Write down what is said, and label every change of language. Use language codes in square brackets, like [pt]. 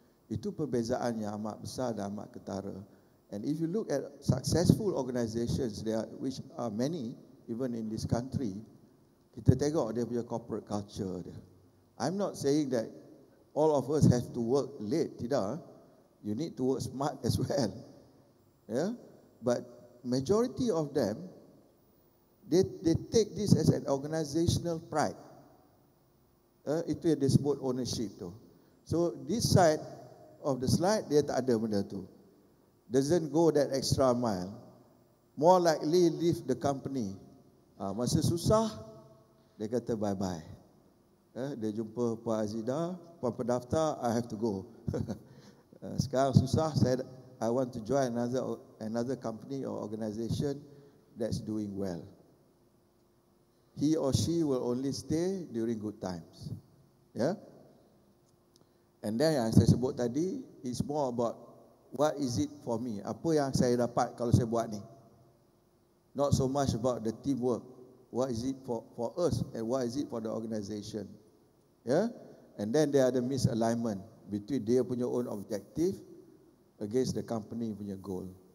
[ms] Itu perbezaan yang amat besar dan amat ketara. [en] And if you look at successful organizations, which are many, even in this country, [ms] kita tengok dia punya corporate culture dia. [en] I'm not saying that all of us have to work late, [ms] tidak. [en] You need to work smart as well. Yeah? But majority of them, they take this as an organizational pride. [ms] Itu yang disebut ownership tu. [en] So this side of the slide, [ms] dia tak ada benda tu. [en] Doesn't go that extra mile. More likely leave the company. [ms] Masa susah, dia kata bye-bye. Dia jumpa Puan Azida, Puan Pendaftar, [en] I have to go. [ms] Sekarang susah, saya, [en] I want to join another company or organization that's doing well. He or she will only stay during good times. Yeah. And then [ms] yang saya sebut tadi, [en] it's more about what is it for me? [ms] Apa yang saya dapat kalau saya buat ni? [en] Not so much about the teamwork. What is it for us and what is it for the organization? Yeah. And then there are the misalignment between their punya own objective against the company punya goal.